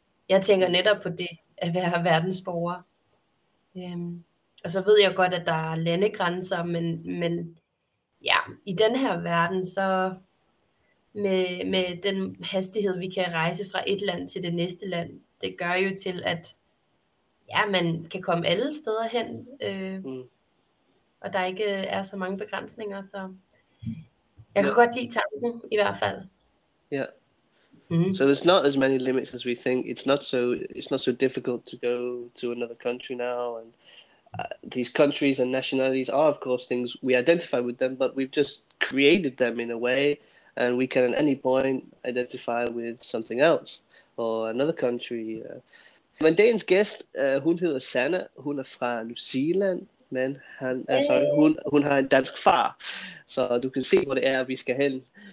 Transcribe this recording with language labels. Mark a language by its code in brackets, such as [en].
[da] Jeg tænker netop på det at være verdensborger. Og så ved jeg godt, at der er landegrænser, men ja, i den her verden, så med den hastighed, vi kan rejse fra et land til det næste land, det gør jo til, at ja, man kan komme alle steder hen, og der ikke er så mange begrænsninger, så Jeg kan godt lide tanken, i hvert fald. [en] Yeah. Mm-hmm. So there's not as many limits as we think. It's not so difficult to go to another country now. And these countries and nationalities are, of course, things we identify with them, but we've just created them in a way, and we can at any point identify with something else or another country. [da] Men dagens gæst, hun hedder Sanna. Hun er fra New Zealand, men han, sorry, hun har en dansk far, så du kan se, hvor det er, vi skal hen.